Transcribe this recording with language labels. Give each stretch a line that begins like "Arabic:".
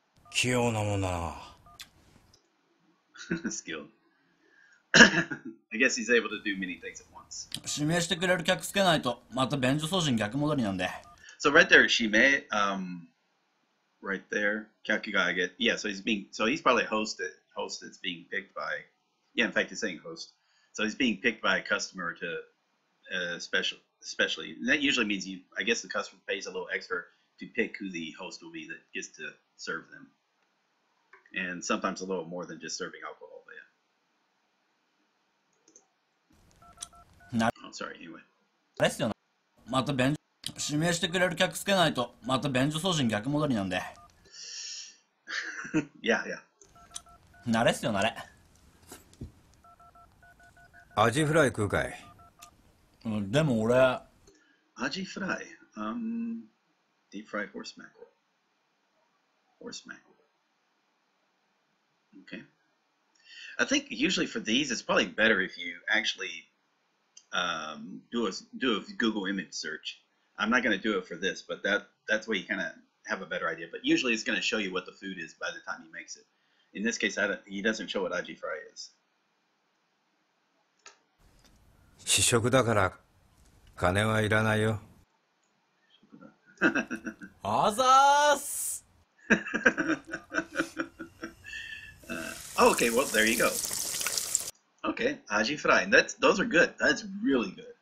Japanese: 器用なもんな。
English: Skilled. I guess he's able to do many things at once.
Japanese: 指名してくれる客つけないとまた便所掃除に逆戻りなんで。
English: So right there,
Japanese: 指名、
English: right there,
Japanese: 客が上げ、
English: yeah, so he's being, so he's probably host that's being picked by, yeah, in fact, he's saying host. So he's being picked by a customer to especially. And that usually means I guess the customer pays a little extra to pick who the host will be that gets to serve them. And sometimes a little more than just serving alcohol. But yeah. sorry, anyway.
Japanese: ですよね。また便所、指名してくれる客つけないと、また便所送信逆戻りなんで。
English: yeah, yeah.
Japanese: 慣れっすよ、慣れ。アジフライ食うかい？でも俺… アジフライ、ディープフライホースマッコル。
English: Okay. I think usually for these, it's probably better if you actually do a Google image search. I'm not going to do it for this, but that's where you kind of have a better idea. But usually it's going to show you what the food is by the time he makes it. In this case, he doesn't show what aji fry is.
Japanese: 試食だから金はいらないよ。あざーす。
English: okay, well, there you go. Okay, aji fry. Those are good. That's really good.